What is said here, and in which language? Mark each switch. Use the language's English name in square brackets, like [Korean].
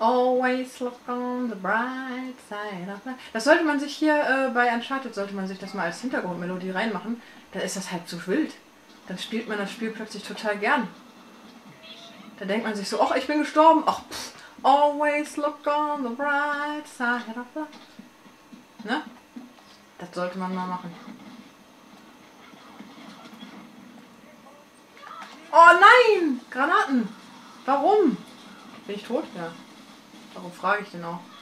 [English] Always look on the bright side of life. [German] Das sollte man sich hier bei Uncharted, sollte man sich das mal als Hintergrundmelodie reinmachen. Da ist das halt so wild. Dann spielt man das Spiel plötzlich total gern. Da denkt man sich so, ach, ich bin gestorben. Ach, pff. [English] Always look on the bright side of life. [German] Ne? Das sollte man mal machen. Oh nein! Granaten! Warum? Bin ich tot? Ja. Warum frage ich denn auch?